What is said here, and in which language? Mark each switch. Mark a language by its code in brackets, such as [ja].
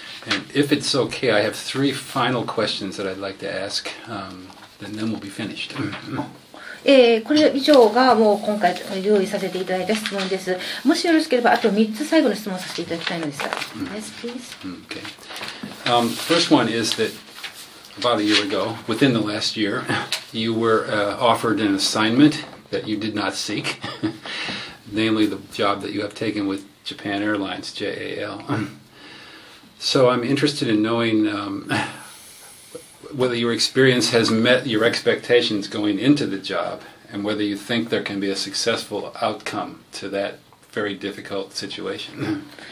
[en] And if it's okay, I have three final questions that I'd like to ask, and then we'll be finished. [ja] これ以上がもう今回用意させていただいた質問です。もしよろしければあと3つ最後の質問させていただきたいのですが。 [en] Yes, please. Okay. First one is that about a year ago, within the last year, you were offered an assignment that you did not seek, namely the job that you have taken withJapan Airlines, JAL. So I'm interested in knowing whether your experience has met your expectations going into the job and whether you think there can be a successful outcome to that very difficult situation.